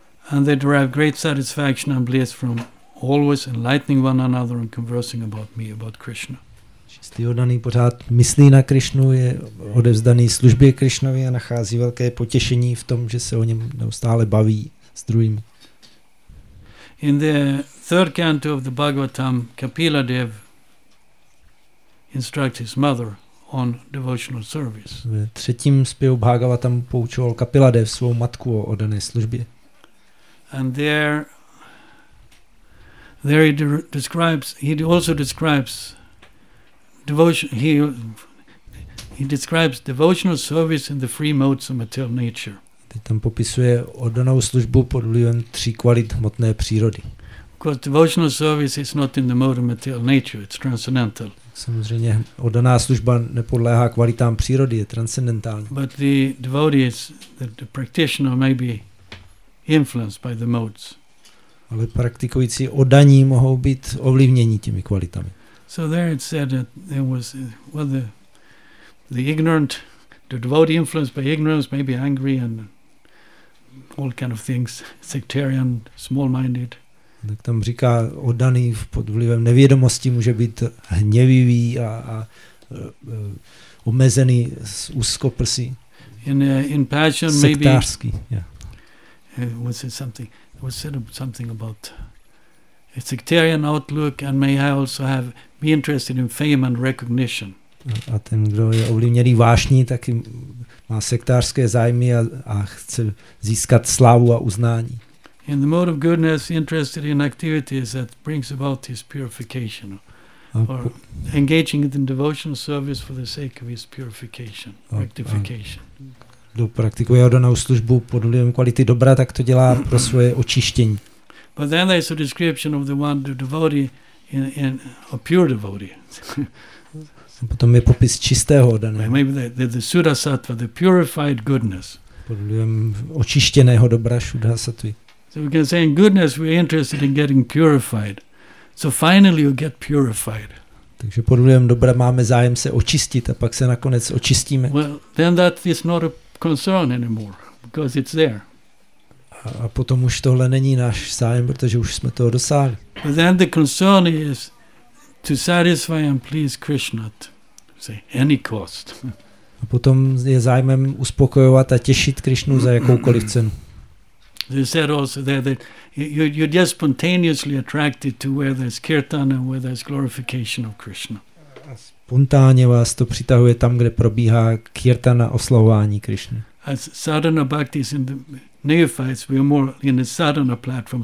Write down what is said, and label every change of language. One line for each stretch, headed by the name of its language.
English: And they derive great satisfaction and bliss from always enlightening one another and conversing about me, about Krishna.
Czech: Čistý oddaný pořád myslí na Krishnu, je odevzdaný službě Krishnovi a nachází velké potěšení v tom, že se o něm neustále baví s druhými.
English: In the third canto of the Bhagavatam, Kapila Dev instructs his mother on devotional service.
Czech: Ve třetím zpěvu Bhagavatam poučoval Kapila Dev svou matku o oddané službě.
English: And there he describes, he also describes devotion, he describes devotional service in the three modes of material nature.
Czech: Tam popisuje oddanou službu pod vlivem tří kvalit hmotné přírody.
English: Because devotional service is not in the mode of material nature, it's transcendental.
Czech: Samozřejmě oddaná služba nepodléhá kvalitám přírody, je transcendentální.
English: But the devotee is the practitioner may be influenced by the modes.
Czech: Ale praktikující oddaní mohou být ovlivněni těmi kvalitami.
English: So there it said that there was the ignorant, the devotee influenced by ignorance, maybe angry and all kind of things, sectarian, small-minded.
Czech: Tak tam říká, oddaný pod vlivem nevědomosti může být hněvivý a omezený z úzkoprsí.
English: In passion, maybe.
Czech: Sektářský, yeah.
English: Was said something about a sectarian outlook and may I also have be interested in fame and recognition.
Czech: A ten, kdo je ovlivněný vášní, tak má sektářské zájmy a chce získat slávu a uznání.
English: In the mode of goodness, interested in activities that brings about his purification. Or engaging in devotional service for the sake of his purification, rectification.
Czech: Kdo praktikuje oddanou službu pod vlivem kvality dobra, tak to dělá pro svoje očištění.
English: But then there's a description of the one the devotee in a pure devotee.
Czech: Potom je popis čistého oddaného.
English: Maybe the Suddha Sattva, the purified goodness.
Czech: Pod vlivem očištěného dobra, Suddha Sattvy.
English: So we can say in goodness we're interested in getting purified. So finally you get purified.
Czech: Takže pod vlivem dobra máme zájem se očistit a pak se nakonec očistíme.
English: Well, then that is not a concern anymore, because it's there.
Czech: A potom už tohle není náš zájem, protože už jsme toho dosáhli.
English: But then the concern is to satisfy and please Krishna at any cost.
Czech: A potom je zájmem uspokojovat a těšit Krishnu za jakoukoliv cenu.
English: They said also there that you're just spontaneously attracted to where there's kirtan and where there's glorification of Krishna.
Czech: A spontánně vás to přitahuje tam, kde probíhá kirtana oslavování Krishny.
English: As sadhana bhakti is in the neophytes, we are more in the sadhana platform.